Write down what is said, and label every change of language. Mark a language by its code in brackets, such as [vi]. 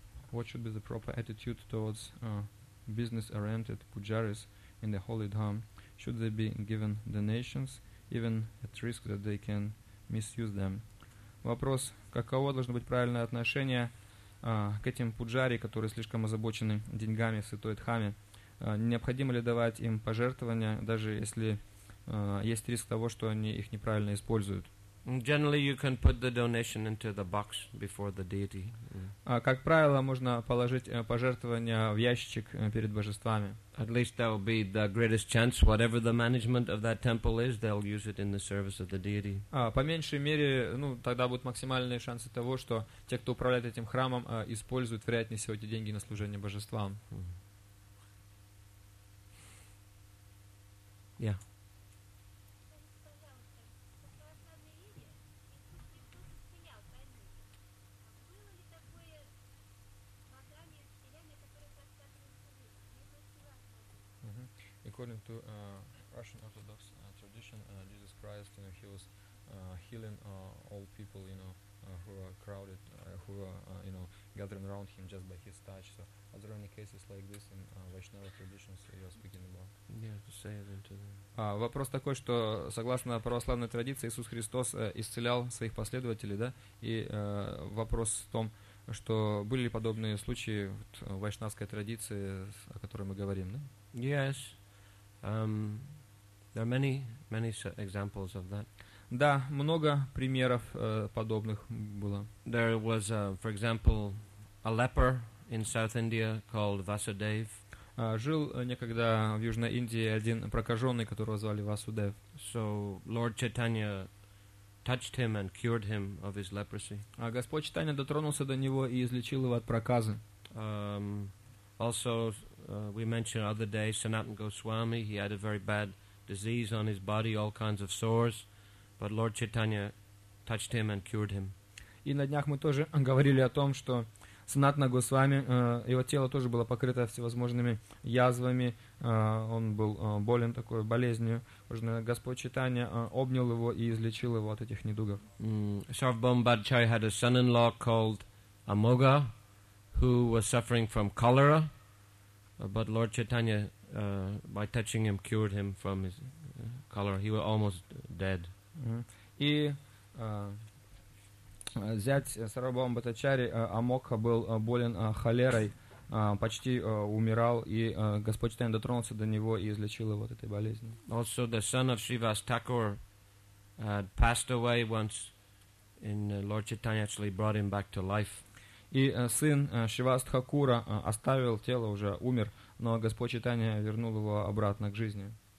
[en] What should be the proper attitude towards business-oriented pujaris in the holy dham? Should they be given donations, even at risk that they can misuse them? [ru] Вопрос, каково должно быть правильное отношение к этим пуджари, которые слишком озабочены деньгами в святой дхаме? Необходимо ли давать им пожертвования, даже если есть риск того, что они их неправильно используют? [en] Generally, you can put the donation into the box before the deity. [ru] Как правило, можно положить пожертвование в ящичек перед божествами. [en] At least there will be the greatest chance, whatever the management of that temple is, they'll use it in the service of the deity. [ru] По меньшей мере, ну тогда будут максимальные шансы того, что те, кто управляет этим храмом, используют вероятнее всего эти деньги на служение божествам. [en] Yeah. According to Russian Orthodox tradition, Jesus Christ, you know, he was healing all people, you know, who are crowded, who are, you know, gathering around him just by his touch. So are there any cases like this in Vaishnava traditions you are speaking about? Yeah, to say it into the... [ru] Вопрос такой, что согласно православной традиции, Иисус Христос исцелял своих последователей, да? И вопрос в том, что были ли подобные случаи вот, в вайшнавской традиции, о которой мы говорим, да? [en] Yes. There are many, many examples of that. [ru] Да, много примеров подобных было. [en] There was, for example, a leper in South India called Vasudev. [ru] Жил некогда в Южной Индии один прокаженный, которого звали Васудев. [en] So Lord Chaitanya touched him and cured him of his leprosy. [ru] А Господь Чайтанья дотронулся до него и излечил его от проказы. [en] Also, we mentioned other day Sanatan Goswami. He had a very bad disease on his body, all kinds of sores, but Lord Chaitanya touched him and cured him. [ru] И на днях мы тоже говорили о том, что Санатана Госвами, его тело тоже было покрыто всевозможными язвами, он был болен такой болезнью. Господь Чайтанья обнял его и излечил его от этих недугов. [en] Sarvabhauma Bhattacharya had a son-in-law called Amoga, who was suffering from cholera, but Lord Chaitanya, by touching him, cured him from his cholera. He was almost dead. [ru] И зять Сарвабхаума Бхаттачари, Амокха, был болен холерой, почти умирал, и Господь Чайтанья дотронулся до него и излечил его от этой болезни. [en] Also, the son of Shrivas Thakur had passed away once, and Lord Chaitanya actually brought him back to life. [ru] И сын Шривас Тхакура оставил тело, уже умер, но Господь Чайтанья вернул его обратно к жизни.